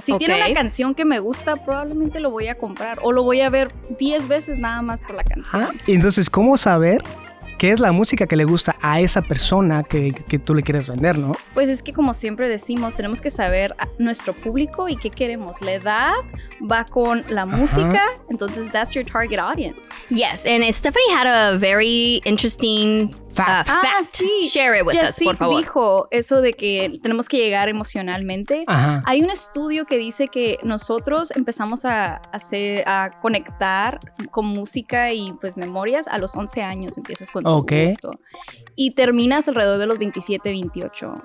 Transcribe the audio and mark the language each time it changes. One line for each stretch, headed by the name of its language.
Spanish: Si okay. tiene una canción que me gusta, probablemente lo voy a comprar o lo voy a ver 10 veces nada más por la canción. ¿Ah? Entonces, ¿cómo saber qué es la música que le gusta a esa persona que tú le quieres vender, ¿no? Pues es que como siempre decimos, tenemos que saber a nuestro público y qué queremos. La edad va con la Ajá. música, entonces
English: that's your target audience. Yes, and Stephanie had a very interesting fact.
Spanish: Sí.
English: Share it with us,
Spanish: por favor. Dijo eso de que tenemos que llegar emocionalmente. Ajá. Hay un estudio que dice que nosotros empezamos a conectar con música y pues memorias a los 11 años, empiezas con okay. tu gusto. Y terminas alrededor de los 27, 28.